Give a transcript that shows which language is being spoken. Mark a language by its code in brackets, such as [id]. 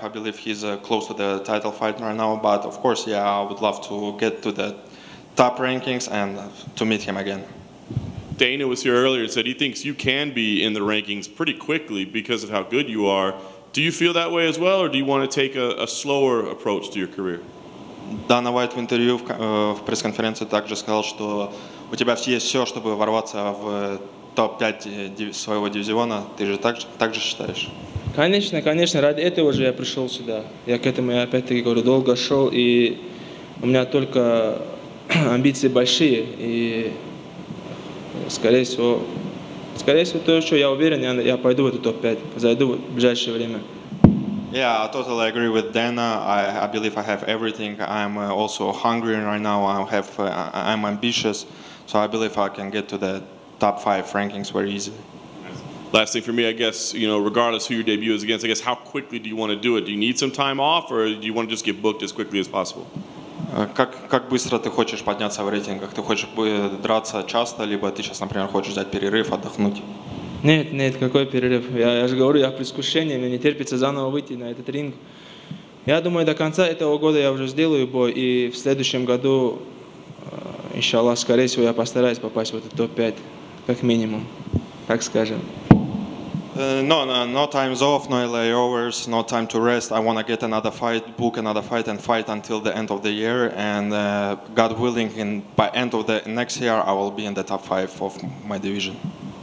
[en] I believe he's close to the title fight right now. But of course, yeah, I would love to get to the top rankings and to meet him again. Dana was here earlier and said he thinks you can be in the rankings pretty quickly because of how good you are. Do you feel that way as well, or do you want to take a slower approach to your career? [ru] Дана Уайт в интервью в пресс-конференции также сказал, что у тебя все есть все, чтобы ворваться в топ-5 своего дивизиона. Ты же также считаешь? Конечно, конечно. Ради этого же я пришел сюда. Я к этому, я опять-таки говорю, долго шел, и у меня только амбиции большие, и скорее всего. Скорее всего, то, что я уверен, я пойду в этот топ-5, зайду в ближайшее время. [en] Yeah, I totally agree with Dana. I believe I have everything. I'm also hungry right now. I'm ambitious, so I believe I can get to the top 5 rankings very easy. Last thing for me, I guess, you know, regardless who your debut is against, I guess, how quickly do you want to do it? Do you need some time off, or do you want to just get booked as quickly as possible? [ru] Как быстро ты хочешь подняться в рейтингах? Ты хочешь драться часто, либо ты сейчас, например, хочешь взять перерыв, отдохнуть? Нет, нет, какой перерыв? Я же говорю, я в предвкушении, мне не терпится заново выйти на этот ринг. Я думаю, до конца этого года я уже сделаю бой, и в следующем году, иншаллах, скорее всего, я постараюсь попасть в этот топ-5, как минимум, так скажем. [en] No times off, no layovers, no time to rest. I want to get another fight, book another fight, and fight until the end of the year. And God willing, by end of the next year, I will be in the top 5 of my division.